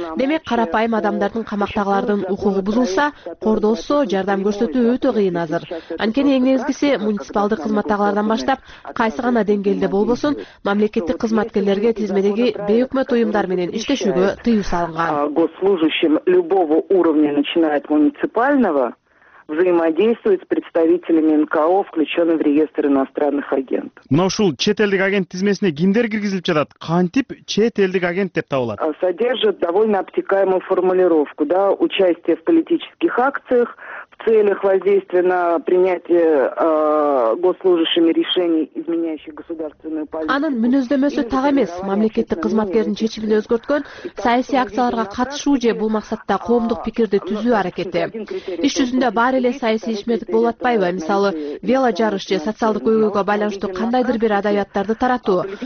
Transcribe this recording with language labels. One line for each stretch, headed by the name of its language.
Kyrgyz: Демек карапайым адамдардын камактагылардын укугу бузулса, кордолсо, жардам көрсөтүү өтө кыйын азыр. Анткени эң негизгиси муниципалдык кызматтагылардан баштап кайсы гана деңгээлде болбосун мамлекеттик кызматкерлерге тизмедеги бейөкмөт уюмдар менен иштешүүгө тыюу салынган.
Russian: Госслужащим любого уровня, начиная от муниципального, взаимодействует с представителями НКО, включенными в реестр иностранных агентов.
Kyrgyz: Мына ушул чет элдик агент тизмесине кимдер киргизилип жатат? Кантип чет элдик агент деп табылат?
Russian: Содержит довольно обтекаемую формулировку, да, участие в политических акциях, в целях воздействия на принятие госслужащими решений, изменяющих государственную политику.
Kyrgyz: Анын мүнөздөмөсү так эмес, мамлекеттик кызматкердин чечимин өзгөрткөн саясий акцияларга катышуу же бул максатта коомдук пикирди түзүү аракети. Иш жүзүндө баары эле саясий ишмердик болуп атпайбы? Мисалы, вело жарыш же социалдык көйгөйгө байланыштуу кандайдыр бир адабияттарды таратуу.